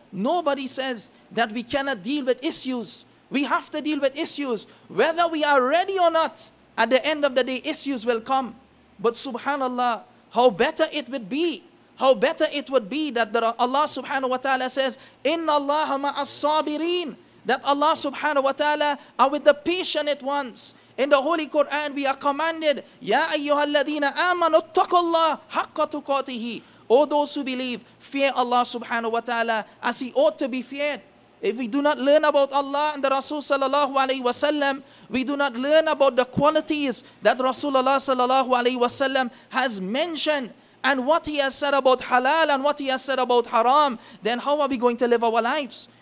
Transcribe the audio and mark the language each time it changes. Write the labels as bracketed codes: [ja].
[en] Nobody says that we cannot deal with issues. We have to deal with issues. Whether we are ready or not, at the end of the day, issues will come. But subhanallah, how better it would be. How better it would be that Allah subhanahu wa ta'ala says, [ar] إِنَّ اللَّهَ مَعَ الصَّابِرِينَ. [en] That Allah subhanahu wa ta'ala are with the patient ones. In the Holy Quran, we are commanded, [ar] يَا أَيُّهَا الَّذِينَ آمَنُوا اتَّقُوا اللَّهَ حَقَّ تُقَاتِهِ. [en] O those who believe, fear Allah subhanahu wa ta'ala as He ought to be feared. If we do not learn about Allah and the Rasul sallallahu alayhi wa sallam, we do not learn about the qualities that Rasulullah sallallahu alayhi wa sallam has mentioned and what he has said about halal and what he has said about haram, then how are we going to live our lives?